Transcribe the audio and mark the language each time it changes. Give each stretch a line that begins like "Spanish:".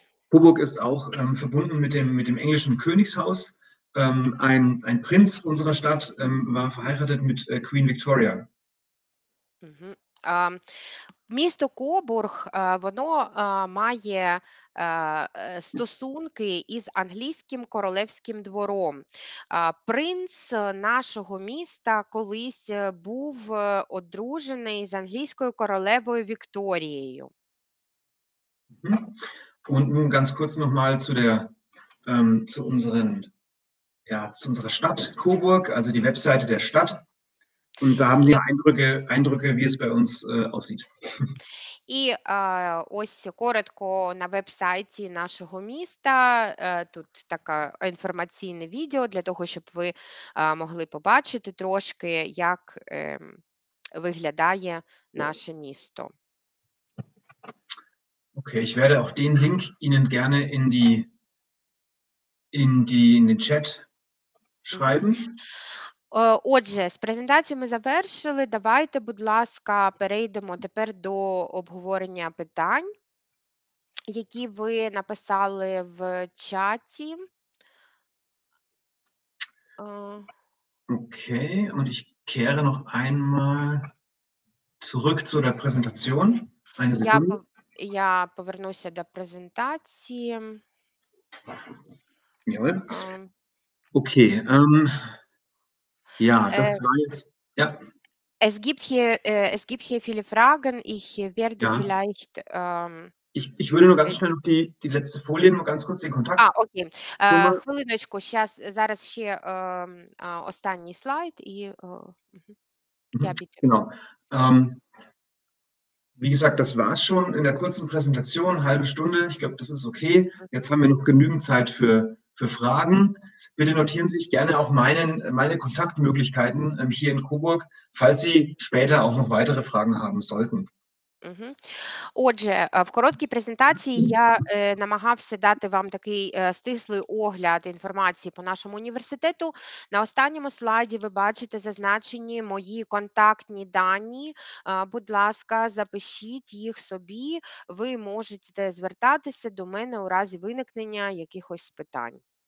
German: Coburg ist auch verbunden mit dem englischen Königshaus. Ein Prinz unserer Stadt war verheiratet mit Queen Victoria.
Ukrainian: Місто Кобург, воно має стосунки із англійським королівським двором. Принц нашого міста колись був одружений з англійською королевою Вікторією.
German: Und nun ganz kurz nochmal zu unserer Stadt Coburg, also die Webseite der Stadt. Und da haben Sie Eindrücke, wie es bei uns aussieht.
Ukrainian: І ось коротко на вебсайті нашого міста тут таке інформаційне відео для того, щоб ви могли побачити трошки, як виглядає наше місто.
German: Okay, ich werde auch den Link Ihnen gerne in den Chat schreiben.
Ukrainian: Отже, з презентацією ми завершили. Давайте, будь ласка, перейдемо тепер до обговорення питань, які ви написали в чаті.
German: Okay, und ich kehre noch einmal zurück zu der Präsentation. Eine Sekunde.
Ukrainian: Я повернуся до презентації.
German: Jawohl. Okay, ja, das war jetzt, ja. Es gibt hier viele Fragen. Ich werde ja vielleicht. Ich würde nur ganz schnell noch die letzte Folie, nur ganz kurz den Kontakt. Ah, okay.
Ukrainian: Хвилиночку,
Russian: сейчас
Ukrainian: зараз ще останній слайд і я бітю.
German: Genau. Wie gesagt, das war's schon in der kurzen Präsentation, halbe Stunde. Ich glaube, das ist okay. Jetzt haben wir noch genügend Zeit für Fragen. Bitte notieren Sie sich gerne auch meine Kontaktmöglichkeiten hier in Coburg, falls Sie später auch noch weitere Fragen haben sollten.
Ukrainian: Отже, в короткій презентації я намагався дати вам такий стислий огляд інформації по нашому університету. На останньому слайді ви бачите зазначені мої контактні дані. Будь ласка, запишіть їх собі. Ви можете звертатися до мене у разі виникнення якихось питань.